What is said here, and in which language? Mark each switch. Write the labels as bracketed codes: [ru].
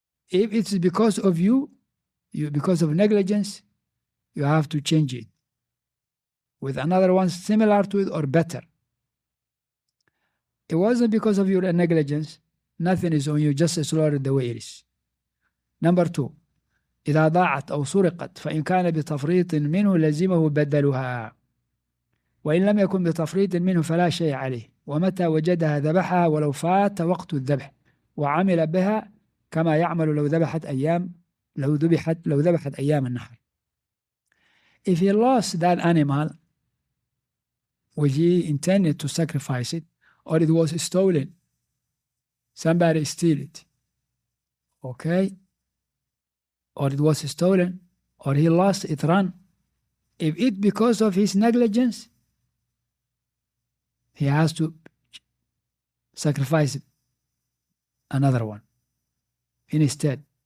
[en] If it's because of you, because of negligence, you have to change it with another one similar to it or better. It wasn't because of your negligence. Nothing is on you, just slaughtered the way it is. Number two, [ar] إذا ضاعت أو سرقت فإن كان بتفريط منه لزمه بدلها وإن لم يكن بتفريط منه فلا شيء عليه ومتى وجدها ذبحها ولو فات وقت الذبح وعمل بها كما يعمل لو ذبحت أيام لو ذبحت أيام النحر. [en] If he lost that animal which he intended to sacrifice it, or it was stolen, somebody steal it, okay, or it was stolen, or he lost it run, if it because of his negligence, he has to sacrifice another one instead.